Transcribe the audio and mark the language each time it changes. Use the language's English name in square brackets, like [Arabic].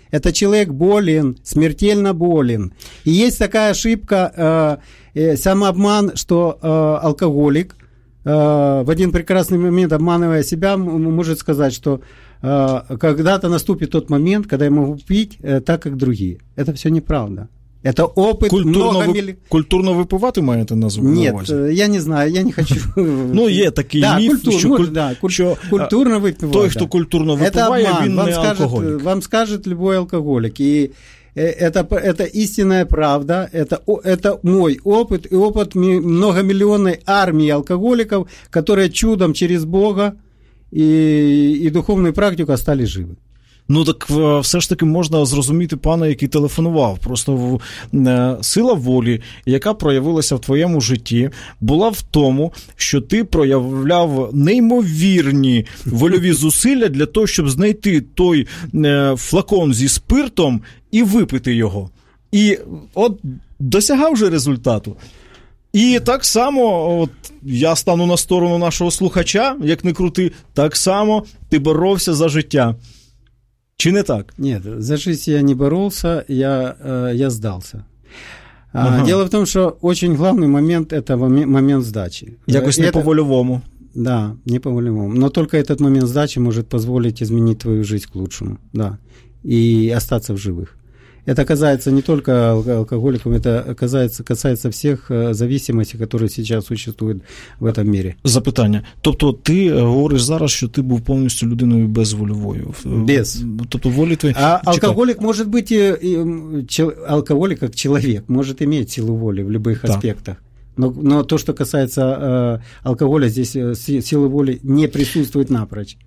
[Russian] Это человек болен, смертельно болен. И есть такая ошибка, самообман, что алкоголик в один прекрасный момент, обманывая себя, может сказать, что когда-то наступит тот момент, когда я могу пить так, как другие. Это все неправда. Это опыт [Ukrainian] культурно культурно выпивати маєте на увазі? [Russian] Нет, я не знаю, я не хочу. [Ukrainian] Ну, є такий міф, що культурно випивати. Той, хто культурно випиває, він не алкоголік. Вам скаже любой алкоголік. І це істинна правда, це мій опыт і опыт многомиллионной армії алкоголіків, які чудом через Бога і духовну практику стали живі. Ну, так все ж таки можна зрозуміти пана, який телефонував. Просто сила волі, яка проявилася в твоєму житті, була в тому, що ти проявляв неймовірні вольові зусилля для того, щоб знайти той флакон зі спиртом і випити його. І от досягав же результату. І так само, от я стану на сторону нашого слухача, як не крути, так само ти боровся за життя. Чи не так? [Russian] Нет, за жизнь я не боролся, я сдался. Ага. Дело в том, что очень главный момент – это момент сдачи. [Ukrainian] Якось не по-волевому. [Russian] Да, не по-волевому. Но только этот момент сдачи может позволить изменить твою жизнь к лучшему, да, и остаться в живых. Это касается не только алкоголиков, это касается всех зависимостей, которые сейчас существуют в этом мире. [Ukrainian] Запитання. Тобто ти говориш зараз, що ти був повністю людиною безвольовою. Без. Тобто волі твої... А алкоголік може бути, алкоголік як чоловік, може мати силу волі в будь-яких аспектах. [Russian] Но то, что касается алкоголя, здесь силы воли не присутствует напрочь.